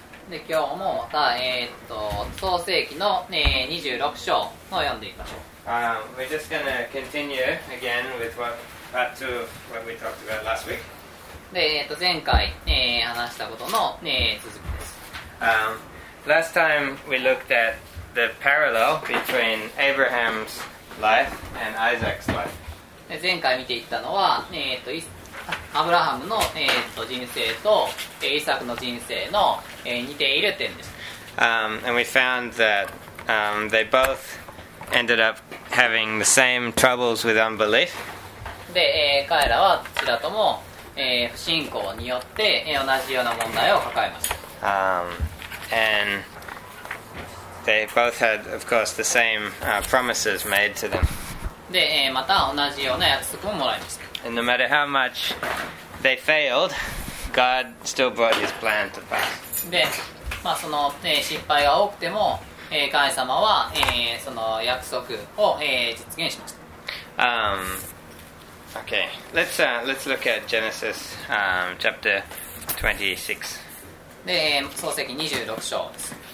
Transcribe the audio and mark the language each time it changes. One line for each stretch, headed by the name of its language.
Japanese: で今日もまた創世記の、26章を読んでみましょう。
English: We're just gonna continue again with what to what we talked about last week.
Japanese: で前回、話したことの、続きです。
English: Last time we looked at the parallel between Abraham's life and Isaac's life.
Japanese: で前回見ていったのは、アブラハムの、人生と、イサクの人生の、似ている点です。
English: And we found that they both ended up having the same troubles with unbelief.
Japanese: で、彼らはどちらとも、不信仰によって、同じような問題を抱えました。
English: And they both had, of course, the same promises made to them.
Japanese: で、また同じような約束ももらいました。
English: And no matter how much they failed, God still brought His plan to pass.
Japanese: で、まあその、失敗が多くても、神様は、その約束を、実現しました。
English: Okay. Let's look at Genesis chapter 26.
Japanese: で、創世記26章です。